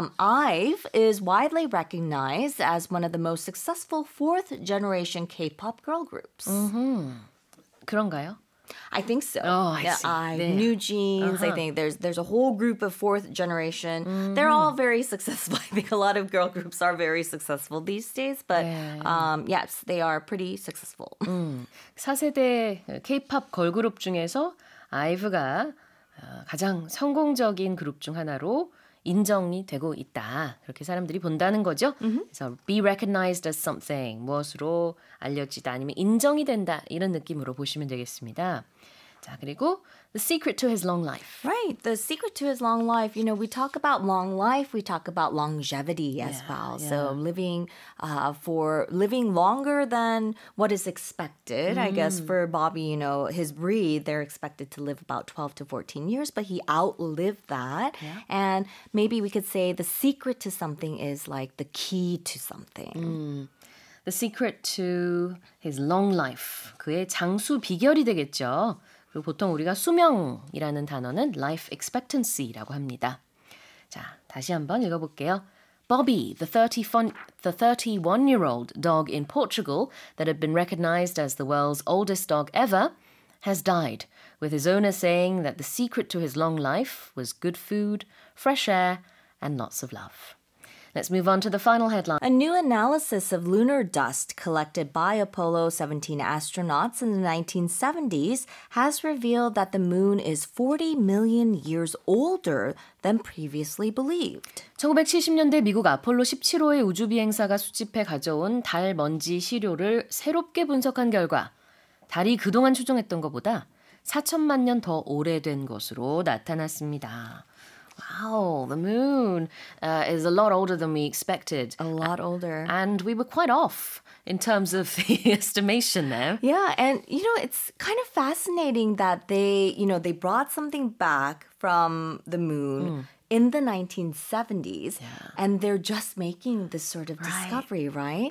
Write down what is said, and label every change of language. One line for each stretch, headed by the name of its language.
English: IVE is widely recognized as one of the most successful fourth generation K-pop girl groups.
Korean: Mm-hmm. 그런가요?
English: I think so. Oh, I see. New Jeans, I think. There's a whole group of fourth generation. Mm-hmm. They're all very successful. I think a lot of girl groups are very successful these days. But yes, they are pretty successful.
Korean: 4세대 K-pop 걸그룹 중에서 IVE가 가장 성공적인 그룹 중 하나로 인정이 되고 있다. 그렇게 사람들이 본다는 거죠. Mm-hmm. 그래서
English: be recognized as something,
Korean: 무엇으로 알려지다 아니면 인정이 된다 이런 느낌으로 보시면 되겠습니다. 자, 그리고
English: the secret to his long life. Right, the secret to his long life. You know, we talk about long life, we talk about longevity as well. So living for living longer than what is expected. I guess for Bobby, you know, his breed, they're expected to live about 12 to 14 years, but he outlived that. And maybe we could say the secret to something is like the key to something. The secret to his long life.
Korean: 그의 장수 비결이 되겠죠. 그리고 보통 우리가 수명이라는 단어는 life expectancy라고 합니다. 자, 다시 한번 읽어볼게요.
English: Bobby, the 31-year-old dog in Portugal that had been recognized as the world's oldest dog ever, has died, with his owner saying that the secret to his long life was good food, fresh air, and lots of love. Let's move on to the final headline. A new analysis of lunar dust collected by Apollo 17 astronauts in the 1970s has revealed that the moon is 40 million years older than previously believed.
Korean: 1970년대 미국 아폴로 17호의 우주비행사가 수집해 가져온 달 먼지 시료를 새롭게 분석한 결과 달이 그동안 추정했던 것보다 4천만 년 더 오래된 것으로 나타났습니다.
English: Wow, the moon is a lot older than we expected. A lot older. And we were quite off in terms of the estimation there. Yeah, and you know, it's kind of fascinating that they, you know, they brought something back from the moon in the 1970s, and they're just making this sort of discovery, right?